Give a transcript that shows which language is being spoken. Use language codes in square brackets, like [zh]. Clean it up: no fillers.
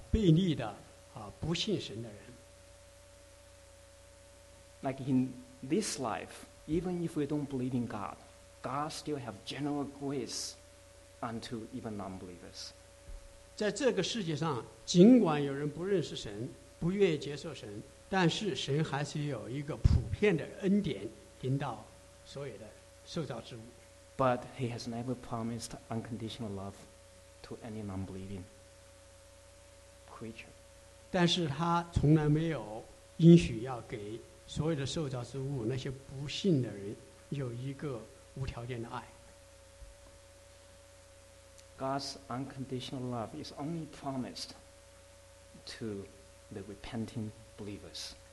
[zh] 圣经上神从来没有应许他有无条件的爱对着那些悖逆的、不信神的人。 [en] Like in this life, even if we don't believe in God, God still have general grace unto even non-believers. [zh] 在这个世界上，尽管有人不认识神，不愿意接受神，但是神还是有一个普遍的恩典引导所有的受造之物。 [en] But he has never promised unconditional love to any non-believing creature. [zh] 但是他从来没有应许要给所有的受造之物，那些不信的人有一个无条件的爱。 [en] God's unconditional love is only promised to the repenting believers.